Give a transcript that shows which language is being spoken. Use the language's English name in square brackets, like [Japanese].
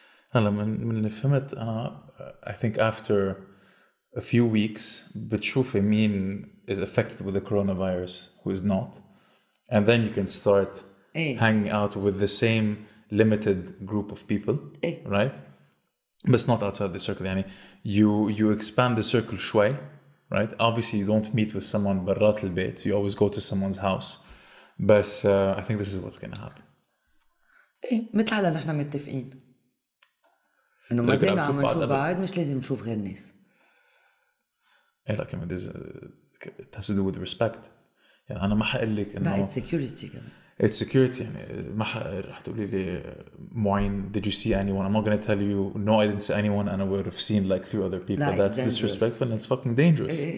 [Arabic] هلا من اللي فهمت أنا [English] I think after a few weeks [Arabic] بتشوف مين [English] is affected with the coronavirus who is not and then you can start hanging out with the same limited group of people right but it's not outside the circle [Arabic] يعني [English] you expand the circle [Arabic] شوي [English] right obviously you don't meet with someone [Arabic] برات البيت [English] you always go to someone's house [Arabic] بس [English] I think this is what's gonna happen [Arabic] إيه مثل هلا نحن متفقين إنه ما زلنا عم نشوف بعض مش لازم نشوف غير الناس. إيه لا كمان [English] this has to do with respect. [Arabic] يعني أنا ما حقول لك إنه. [English] It's security [Arabic] كمان. [English] It's security [Arabic] يعني ما رح تقولي لي معين [English] did you see anyone I'm not gonna tell you no I didn't see anyone and I would have seen like three other people that's dangerous. Disrespectful and it's fucking dangerous.